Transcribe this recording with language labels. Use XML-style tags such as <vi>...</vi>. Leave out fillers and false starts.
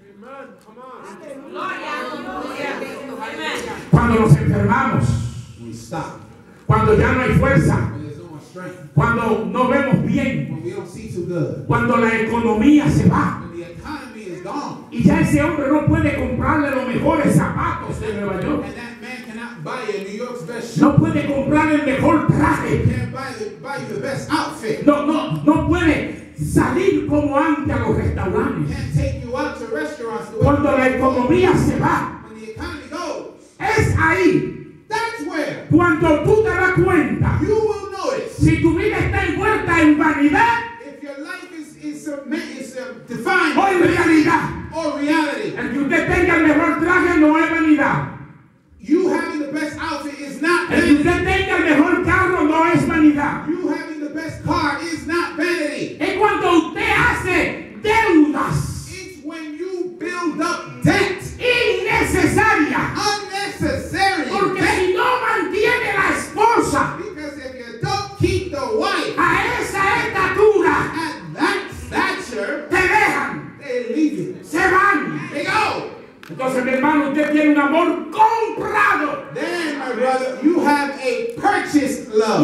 <en>Amen. Come on. Gloria.</en> <es>Cuando nos enfermamos.</es> <en>We stop.</en> <es>Cuando ya no hay fuerza.</es> <en>Strength.</en> <es>Cuando no vemos bien,</es> <en>when we don't see too good.</en> <es>Cuando la economía se va,</es> <en>when the economy is gone.</en> <es>Y ya ese hombre no puede comprarle los mejores zapatos de Nueva York,</es> <en>and that man cannot buy a New York's best shoe.</en> <es>No puede comprar el mejor traje,</es> <en>buy the best outfit.</en> <es>No puede salir como antes a los restaurantes,</es> <en>can't take you out to restaurants.</en> <es>Cuando la economía economía se va,</es> <en>when the economy goes,</en> <es>es ahí.</es> <en>That's where.</en> <es>Cuando tú te das cuenta,</es> <en>you will notice.</en> <es>Si tu vida está envuelta en vanidad,</es> <en>if your life is defined,</en> <es>o en realidad,</es> <en>or reality.</en> <es>El que usted tenga el mejor traje no es vanidad.</es> <en>You having the best outfit is not vanity.</en> <es>El que usted tenga el mejor carro no es vanidad.</es> <en>You having the best car is not vanity.</en> <es>En cuanto usted hace deudas,</es> <en>it's when you build up debt.</en> <es>Innecesaria.</es> <en>Unnecessary.</en> <es>Porque</es> <en>debt.</en> <es>Si no mantiene la esposa,</es> <en>because if you don't keep the wife,</en> <es>a esa estatura,</es> <en>at that stature,</en> <es>te dejan.</es> <en>They leave you.</en> <es>Se van.</es> <en>They go.</en> <es>Entonces, mi hermano, usted tiene un amor comprado.</es> <en>Then, my brother, you have a purchased love.</en>